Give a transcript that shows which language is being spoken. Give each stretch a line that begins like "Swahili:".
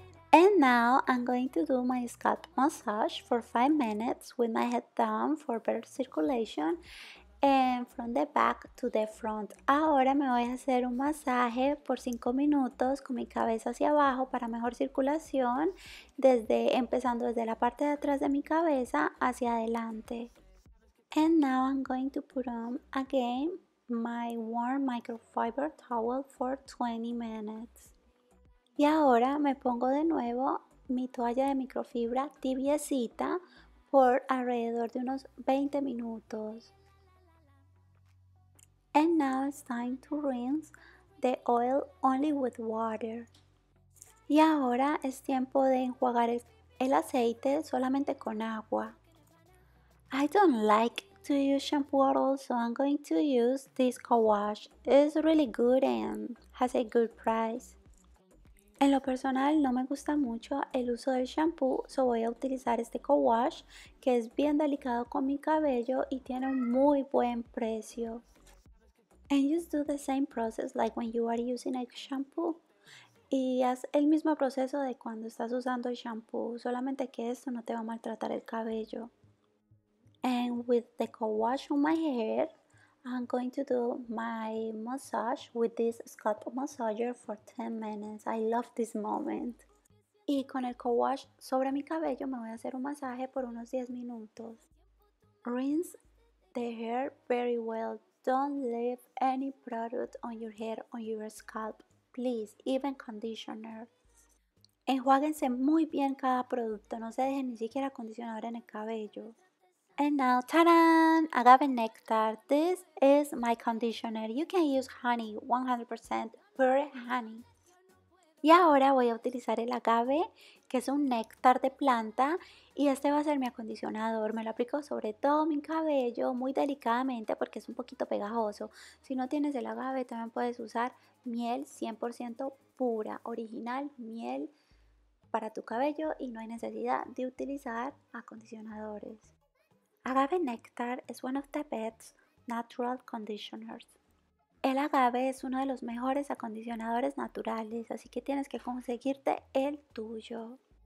English: And now I'm going to do my scalp massage for 5 minutes with my head down for better circulation, and from the back to the front.
Spanish: Ahora me voy a hacer un masaje por 5 minutos con mi cabeza hacia abajo para mejor circulación, empezando desde la parte de atrás de mi cabeza hacia adelante.
English: And now I'm going to put on again my warm microfiber towel for 20 minutes.
Spanish: Y ahora me pongo de nuevo mi toalla de microfibra tibiecita por alrededor de unos 20 minutos.
English: And now it's time to rinse the oil only with water.
Spanish: Y ahora es tiempo de enjuagar el aceite solamente con agua.
English: I don't like to use shampoo at all, so I'm going to use this co-wash. It's really good and has a good price.
Spanish: En lo personal no me gusta mucho el uso del shampoo, so voy a utilizar este co-wash que es bien delicado con mi cabello y tiene un muy buen precio.
English: And just do the same process like when you are using a shampoo.
Spanish: Y haz el mismo proceso de cuando estás usando el shampoo, solamente que esto no te va a maltratar el cabello.
English: And with the co-wash on my hair, I'm going to do my massage with this scalp massager for 10 minutes. I love this moment.
Spanish: Y con el co-wash sobre mi cabello me voy a hacer un masaje por unos 10 minutos.
English: Rinse the hair very well. Don't leave any product on your hair, on your scalp, please, even conditioner.
Spanish: Enjuáguense muy bien cada producto, no se dejen ni siquiera acondicionador en el cabello.
English: And now, ta-da! Agave Nectar. This is my conditioner. You can use honey, 100% pure honey.
Spanish: Y ahora voy a utilizar el agave, que es un néctar de planta, y este va a ser mi acondicionador. Me lo aplico sobre todo mi cabello, muy delicadamente porque es un poquito pegajoso. Si no tienes el agave, también puedes usar miel 100% pura, original, miel para tu cabello, y no hay necesidad de utilizar acondicionadores.
English: Agave Nectar is one of the best natural conditioners.
Spanish: El agave es uno de los mejores acondicionadores naturales, así que tienes que conseguirte el tuyo.